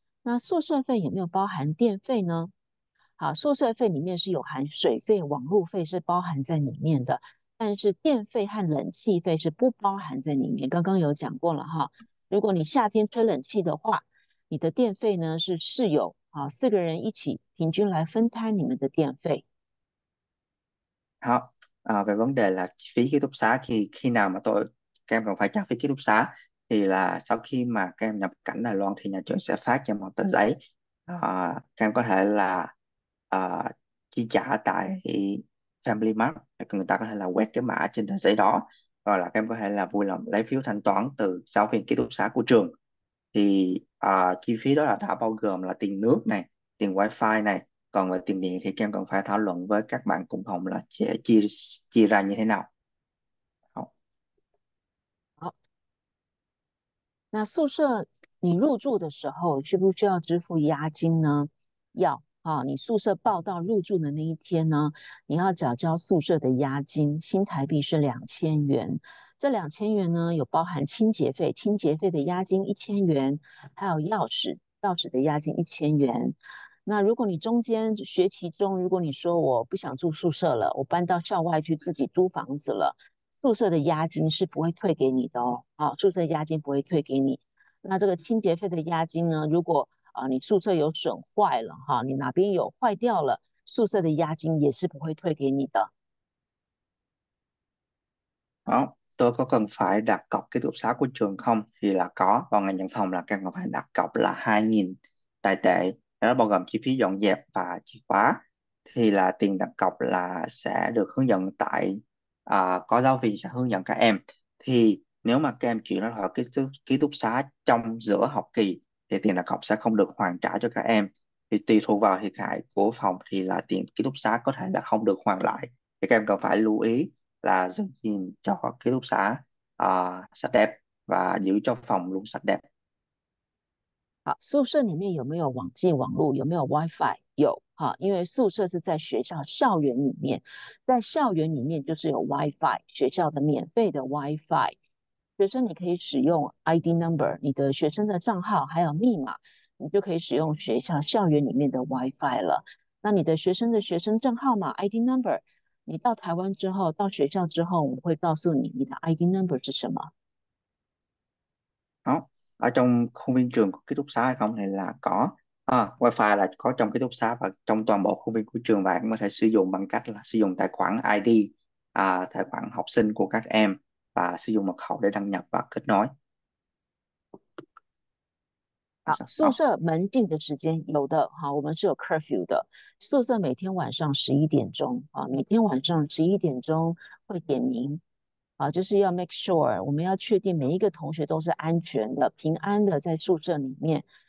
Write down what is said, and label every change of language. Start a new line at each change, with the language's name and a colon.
Chinese: 那宿舍费有没有包含电费呢？好，宿舍费里面是有含水费、网路费是包含在里面的，但是电费和冷气费是不包含在里面。刚刚有讲过了哈，如果你夏天吹冷气的话，你的电费呢是室友啊四个人一起平均来分摊你们的电费。
Vietnamese: Đó. Về vấn đề là phí ký túc xá thì khi nào mà các em cần phải trả phí ký túc xá thì là sau khi mà các em nhập cảnh Đài Loan thì nhà trường sẽ phát cho một tờ giấy, các em có thể là chi trả tại Family Mart, người ta có thể là quét cái mã trên tờ giấy đó, hoặc là các em có thể là vui lòng lấy phiếu thanh toán từ giáo viên ký túc xá của trường. Thì chi phí đó là đã bao gồm là tiền nước này, tiền wifi này. Còn về tiền điện thì các em cần phải thảo luận với các bạn cùng phòng là sẽ chia ra như thế nào.
Chinese: 那宿舍你入住的时候需不需要支付押金呢？要，啊，你宿舍报到入住的那一天呢，你要缴交宿舍的押金，新台币是2000元。这2000元呢，有包含清洁费，清洁费的押金1000元，还有钥匙的押金1000元。那如果你中间学期中，如果你说我不想住宿舍了，我搬到校外去自己租房子了，宿舍的押金是不会退给你的哦。啊，宿舍押金不会退给你。那这个清洁费的押金呢，如果你宿舍有损坏了哈，你哪边有坏掉了，宿舍的押金也是不会退给你的。
Vietnamese: Đó, tôi có cần phải đặt cọc cái túc xá của trường không? Thì là có, còn ngày nhận phòng là cần phải đặt cọc là 2.000 đại tệ. Đó bao gồm chi phí dọn dẹp và chìa khóa. Thì là tiền đặt cọc là sẽ được hướng dẫn tại, có giáo viên sẽ hướng dẫn các em. Thì nếu mà các em chuyển ra khỏi ký túc xá trong giữa học kỳ thì tiền đặt cọc sẽ không được hoàn trả cho các em. Thì tùy thuộc vào thiệt hại của phòng thì là tiền ký túc xá có thể là không được hoàn lại. Thì các em cần phải lưu ý là giữ gìn cho ký túc xá sạch đẹp và giữ cho phòng luôn sạch đẹp.
Chinese: 好，宿舍里面有没有网际网络？有没有 WiFi？有哈，因为宿舍是在学校校园里面，在校园里面就是有 WiFi，学校的免费的 WiFi。学生你可以使用 ID number，你的学生的账号还有密码，你就可以使用学校校园里面的 WiFi 了。那你的学生的学生证号码 ID number，你到台湾之后，到学校之后，我们会告诉你你的 ID number 是什么。
Vietnamese: Ở trong khuôn viên trường có ký túc xá hay không thì là có wifi là có trong ký túc xá và trong toàn bộ khuôn viên của trường, và em có thể sử dụng bằng cách là sử dụng tài khoản ID, tài khoản học sinh của các em và sử dụng mật khẩu để đăng nhập và kết nối.
Chinese: 好，宿舍门禁的时间有的哈，我们是有 curfew 的。宿舍每天晚上11点钟啊，每天晚上11点钟会点名啊，就是要
English: make sure
Chinese: 我们要确定每一个同学都是安全的、平安的在宿舍里面。